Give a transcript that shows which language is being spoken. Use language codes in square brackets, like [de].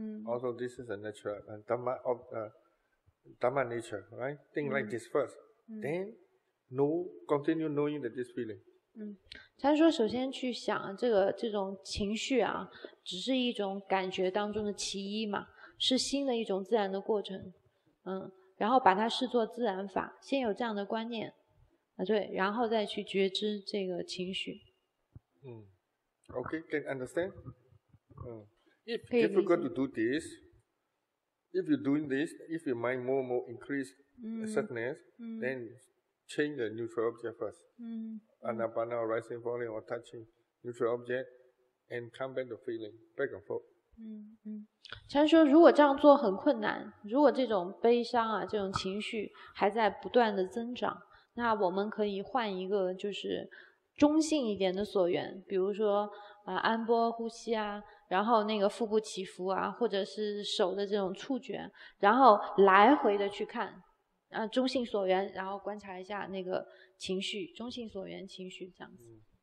[en] Also, this is a natural dharma of dharma nature, right? Think like this first. Then, continue knowing that this feeling. [zh] 他说首先去想这个这种情绪啊，只是一种感觉当中的其一嘛，是心的一种自然的过程。然后把它视作自然法，先有这样的观念啊，对，然后再去觉知这个情绪。 [en] Okay, can understand? If difficult to do this, if you're doing this, if your mind more increase sadness, then change the neutral object first. Anapana or rising, falling or touching neutral object and come back to feeling, back and forth. [zh] 禅说如果这样做很困难，如果这种悲伤啊，这种情绪还在不断的增长，那我们可以换一个就是中性一点的所缘，比如说安波呼吸啊，然后那个腹部起伏啊，或者是手的这种触觉，然后来回的去看中性所缘，然后观察一下那个情绪，中性所缘情绪这样子。